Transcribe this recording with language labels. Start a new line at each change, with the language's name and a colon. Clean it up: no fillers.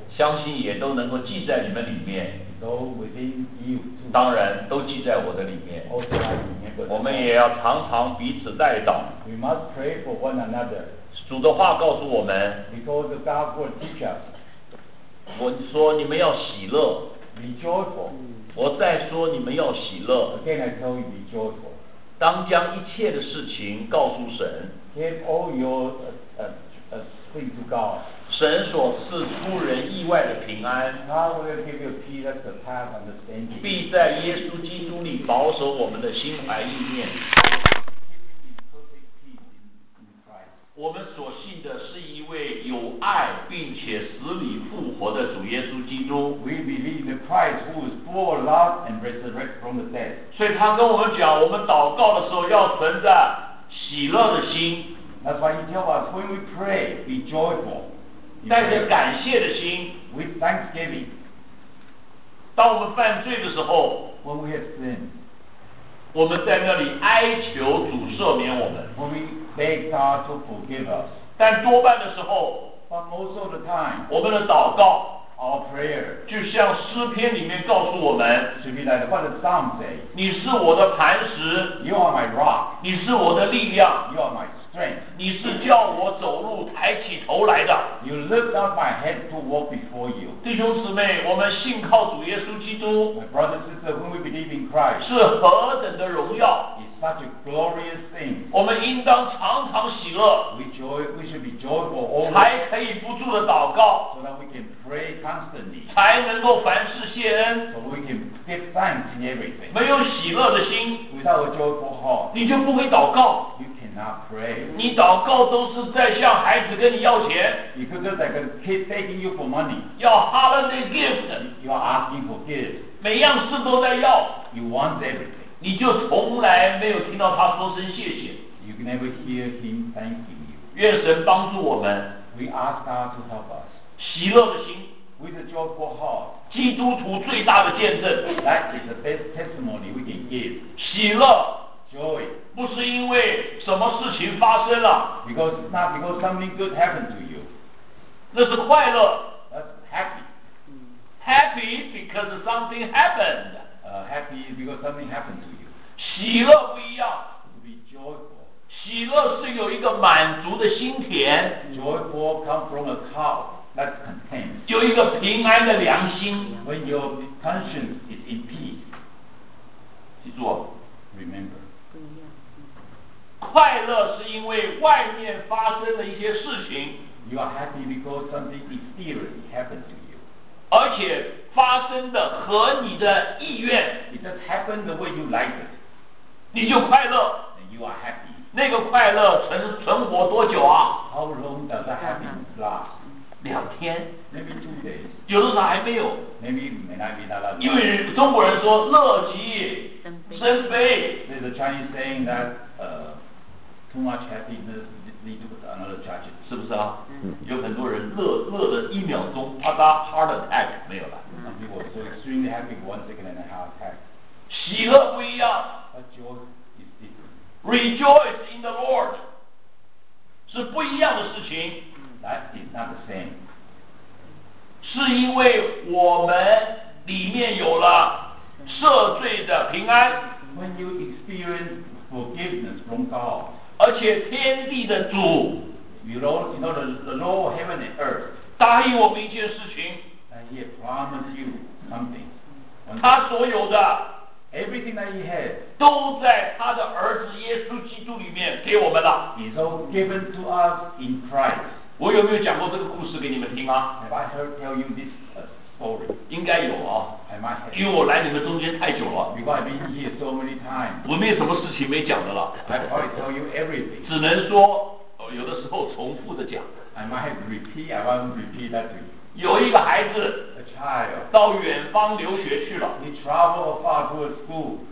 Chinese: 相信也都能够记在你们里面
English: though within you,
Chinese: 当然都记在我的里面
English: also in your body.
Chinese: 我们也要常常彼此带祷
English: We must pray for one another.
Chinese: 主的话告诉我们
English: Because God will teach us.
Chinese: 我说你们要喜乐
English: Be joyful.
Chinese: 我再说你们要喜乐
English: Again I tell you, be joyful.
Chinese: 当将一切的事情告诉神
English: Give all your things to God
Chinese: 神所赐出人意外的平安
English: God will give you peace and surpass understanding
Chinese: 必在耶稣基督里保守我们的心怀意念 我们所信的是一位有爱并且死里复活的主耶稣基督
English: We believe the Christ who is full of love and resurrected from the dead
Chinese: 所以他跟我们讲我们祷告的时候要存着喜乐的心
English: That's why he tells us when we pray be joyful
Chinese: 带着感谢的心
English: With thanksgiving
Chinese: 当我们犯罪的时候
English: When we have sinned
Chinese: 我们在那里哀求主赦免我们
English: When we beg God to forgive us
Chinese: 但多半的时候
English: But most of the time,
Chinese: 我们的祷告
English: our prayer,
Chinese: 就像诗篇里面告诉我们
English: should be like what the Psalm say,
Chinese: 你是我的磐石
English: you are my rock,
Chinese: 你是我的力量
English: you are my strength,
Chinese: 你是叫我走路抬起头来的
English: you lift up my head to walk before you,
Chinese: 弟兄姊妹我们信靠主耶稣基督
English: my brothers and sisters, when we believe in Christ,
Chinese: 是何等的荣耀
English: it's such a glorious thing,
Chinese: 我们应当常常喜乐
English: we should be joyful always,
Chinese: 还可以不住的祷告
English: so that we can pray constantly,
Chinese: 才能够凡事谢恩
English: so we can give thanks in everything,
Chinese: 没有喜乐的心
English: without a joyful heart,
Chinese: 你就不会祷告
English: you cannot pray,
Chinese: 你祷告都是在向孩子跟你要钱
English: You could just like a kid begging you for money
Chinese: 要
English: holiday gift You are asking for gifts
Chinese: 每样事都在要
English: You want everything
Chinese: 你就从来没有听到他说声谢谢
English: You can never hear him thanking you
Chinese: 愿神帮助我们
English: We ask God to help us
Chinese: 喜乐的心
English: With a joyful heart
Chinese: 基督徒最大的见证
English: That is the best testimony we can give
Chinese: 喜乐
English: Joy.
Chinese: 不是因为什么事情发生了
English: because, not because something good happened to you
Chinese: 那是快乐
English: That's happy Happy because something happened Happy is because something happened to you
Chinese: 喜乐不一样
English: Be joyful
Chinese: 喜乐是有一个满足的心田
English: Joyful comes from a cup that's content
Chinese: 就一个平安的良心
English: When your conscience is in peace
Chinese: 记住
English: Remember
Chinese: 快乐是因为外面发生了一些事情
English: You are happy because something exterior happened to you
Chinese: 而且发生的和你的意愿
English: It just happened the way you like it
Chinese: 你就快乐
English: And you are happy
Chinese: 那个快乐 存活多久啊
English: How long does the happiness last?
Chinese: 两天
English: Maybe 2 days
Chinese: 有的时候还没有
English: Maybe it may not be that long
Chinese: 因为中国人说乐极生悲
English: There's a Chinese saying thatToo much happiness leads to another tragedy.
Chinese: 是不是啊？有很多人乐的一秒钟，啪嗒 ，
English: heart attack
Chinese: 没有了。
English: Some people so extremely happy one second and a heart attack.
Chinese: 喜乐不一样。
English: But joy is different. Rejoice in the Lord
Chinese: 是不一样的事情。
English: That is not the same.
Chinese: 是因为我们里面有了赦罪的平安。
English: When you experience forgiveness from God.
Chinese: 而且天地的主
English: you know the Lord of heaven and earth
Chinese: 答应我们一件事情
English: and he promised you something
Chinese: 他所有的
English: everything that he has
Chinese: 都在他的儿子耶稣基督里面给我们了
English: he's all given to us in Christ
Chinese: 我有没有讲过这个故事给你们听啊
English: have I heard tell you this story
Chinese: 应该有啊
English: I might have
Chinese: 因为我来你们中间太久了
English: because I've been here so many times
Chinese: 我没有什么事情没讲的了
English: I probably tell you everything
Chinese: 只能说有的时候重复的讲
English: I might have repeat I won't repeat that to you
Chinese: 有一个孩子
English: a child
Chinese: 到远方留学去了
English: he traveled far to a school